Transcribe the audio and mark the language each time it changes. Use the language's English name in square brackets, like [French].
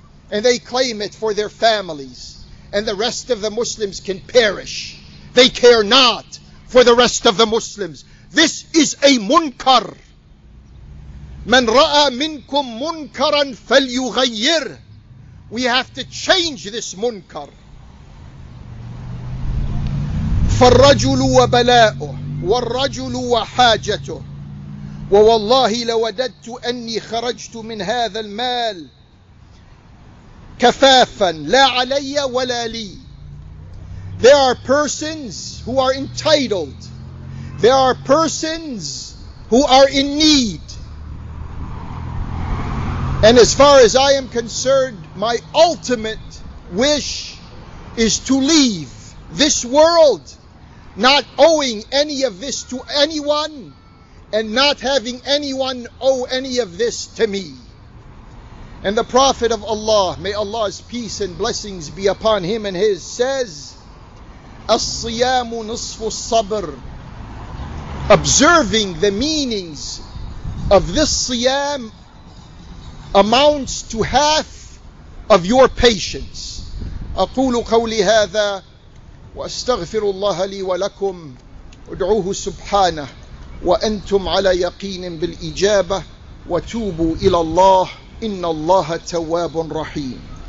[English] And they claim it for their families. And the rest of the Muslims can perish. They care not for the rest of the Muslims. This is a munkar. [Arabic] مَنْ رَأَى مِنْكُمْ مُنْكَرًا فَلْيُغَيِّرْ [English] We have to change this munkar. [Arabic] فَالرَّجُلُ وَبَلَاؤُهُ وَالرَّجُلُ وَحَاجَتُهُ وَوَاللَّهِ لَوَدَدْتُ أَنِّي خَرَجْتُ مِنْ هَذَا الْمَالِ كَفَافًا لَا عَلَيَّ وَلَا لِي [English] There are persons who are entitled. There are persons who are in need. And as far as I am concerned, my ultimate wish is to leave this world not owing any of this to anyone and not having anyone owe any of this to me. And the Prophet of Allah, may Allah's peace and blessings be upon him and his, says, [Arabic] "As-siyamu nisfu sabr," [English] observing the meanings of this siyam amounts to half of your patience. [Arabic] أقول قولي هذا وأستغفر الله لي ولكم ادعوه سبحانه وأنتم على يقين بالإجابة وتوبوا إلى الله إن الله تواب رحيم.